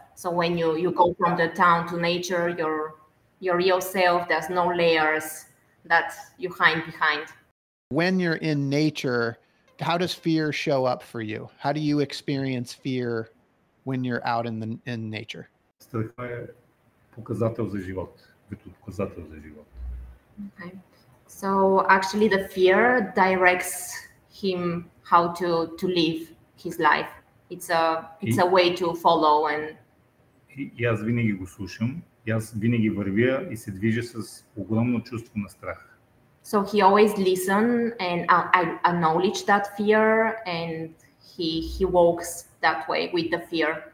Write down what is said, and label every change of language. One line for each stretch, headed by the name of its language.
English: So when you go from the town to nature, your real self, there's no layers that you hide behind. When you're in nature, how does fear show up for you? How do you experience fear when you're out in nature?
Bulgarian: Страх е показател за живот, като показател за живот.
English: Okay. So actually the fear directs him how to live his life. It's a way to follow and
Bulgarian: И аз винаги го слушам, и аз винаги вървя и се движа с огромно чувство на страх.
English: So he always listen and I acknowledge that fear and he walks that way with the fear.